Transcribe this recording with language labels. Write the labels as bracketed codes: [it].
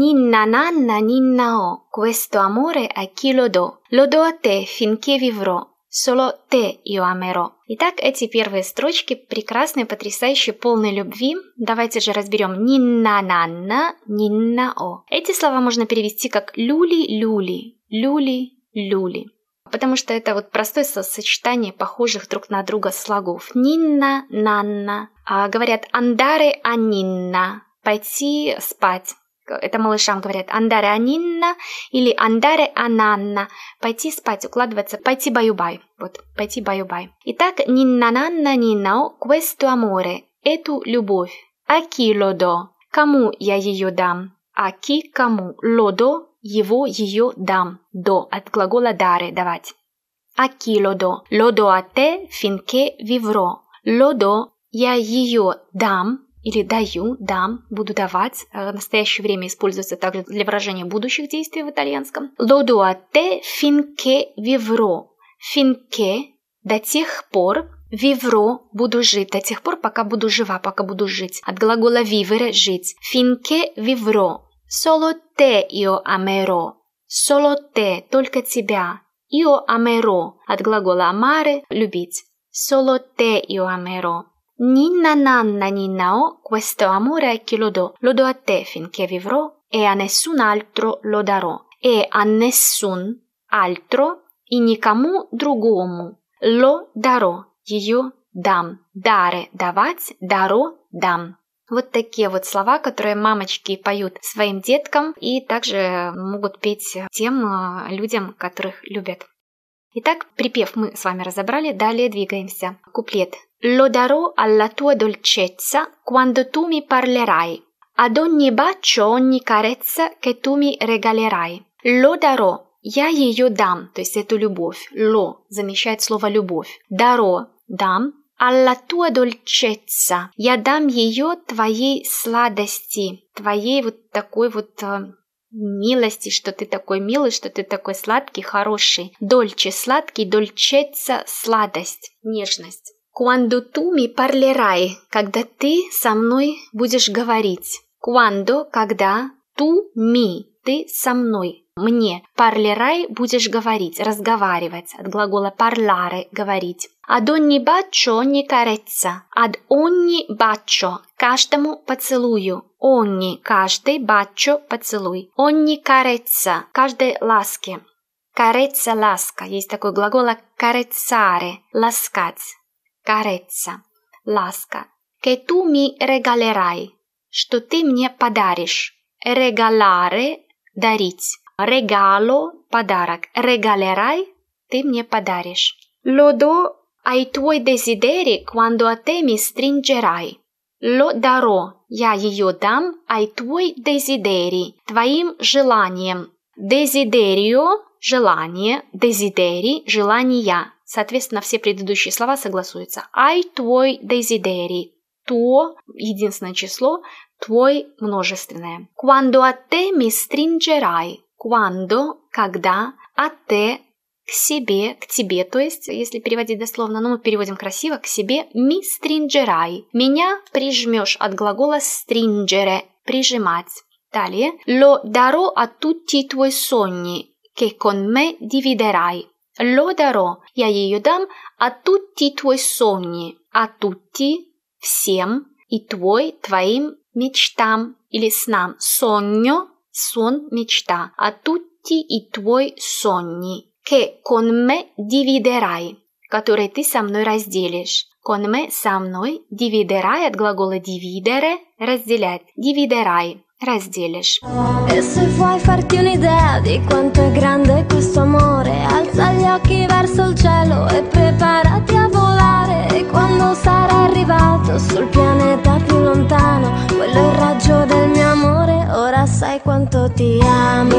[it] Nanna ninna o, questo amore a chi lo do a te finché vivrò, solo te io amerò. [ru] Итак, эти первые строчки прекрасные, потрясающие, полные любви. Давайте же разберем [it] ninna nanna, ninna o. [ru] Эти слова можно перевести как люли-люли, люли-люли, потому что это вот простое сочетание похожих друг на друга слогов. [it] Ninna nanna, [ru] а говорят [it] andare a ninna, [ru] пойти спать. Это малышам говорят «андаре анинна» или «андаре ананна» – «пойти спать», укладываться «пойти баюбай». Вот, «пойти баюбай». Итак, «нинна нанна нинна о, квесту аморе» – «эту любовь». «А ки лодо» – «кому я ее дам». «А ки кому» – «лодо» – «его ее дам». «До» – от глагола «даре» – «давать». «А ки лодо» – «лодо а те финке вивро». «Лодо» – «я ее дам». Или даю, дам, буду давать. В настоящее время используется также для выражения будущих действий в итальянском. [it] Lo do a te finché vivrò. [ru] Finché – до тех пор. Vivrò – буду жить. До тех пор, пока буду жива, пока буду жить. От глагола vivere – жить. [it] Finché vivrò. Solo te io amerò. Solo te [ru] – только тебя. [it] Io amerò [ru] – от глагола amare – любить. [it] Solo te io amerò. Ninna nanna ninna o, questo amore a chi lo do a te finché vivrò e a nessun altro lo darò. E a nessun altro, e [ru] никому другому, [it] lo darò, io дам. [ru] Dare, давать, darò, дам. Вот такие вот слова, которые мамочки поют своим деткам и также могут петь тем людям, которых любят. Итак, припев мы с вами разобрали, далее двигаемся. Куплет. [it] Lo darò alla tua dolcezza quando tu mi parlerai, ad ogni bacio, ogni carezza che tu mi regalerai. Lo darò, [ru] я ее дам, то есть эту любовь. Lo замещает слово любовь. Darò, дам, [it] alla tua dolcezza. [ru] Я дам ее твоей сладости. Твоей вот такой вот милости, что ты такой милый, что ты такой сладкий, хороший. Дольче, сладкий, дольчеца, сладость, нежность. [it] Quando tu mi parlerai, [ru] когда ты со мной будешь говорить. Quando, когда, [it] tu mi, [ru] ты со мной, мне. Parlerai, будешь говорить, разговаривать, от глагола parlare, говорить. [it] Ad ogni bacio ogni carezza, ad ogni bacio, [ru] каждому поцелую. Ogni, каждый, bacio, поцелуй. [it] Ogni carezza, [ru] каждой ласке. Carezza, ласка, есть такой глагол carezzare, ласкать. Carezza, ласка. [it] Che tu mi regalerai, [ru] что ты мне подаришь. Regalare, дарить. Regalo, подарок. Regalerai, ты мне подаришь. [it] Lo do ai tuoi desideri quando a te mi stringerai. Lo darò, [ru] я ее дам, [it] ai tuoi desideri, [ru] твоим желаниям. Desiderio, желание, desideri, желания. Соответственно, все предыдущие слова согласуются. Ай твой дезидери. То, единственное число, твой множественное. [it] Quando a te mi stringerai. [ru] Quando, когда, [it] a te, [ru] к себе, к тебе. То есть, если переводить дословно, но мы переводим красиво, к себе. [it] Mi stringerai. [ru] Меня прижмешь от глагола stringere, прижимать. Далее. [it] Lo darò a tutti i tuoi sogni, che con me dividerai. Lo darò, [ru] я ее дам, [it] a tutti i tuoi sogni, a tutti, всем, и твой, [ru] твоим мечтам или снам. Sogno, сон, мечта. [it] A tutti i tuoi sogni, che con me dividerai, [ru] который ты со мной разделишь. [it] Con me, [ru] со мной, dividerai, от глагола dividere, разделять. Dividerai, разделишь. [it] E se vuoi farti un'idea di quanto è grande questo amore, alza gli occhi verso il cielo e preparati a volare. E quando sarà arrivato sul pianeta più lontano, quello è il raggio del mio amore, ora sai quanto ti amo.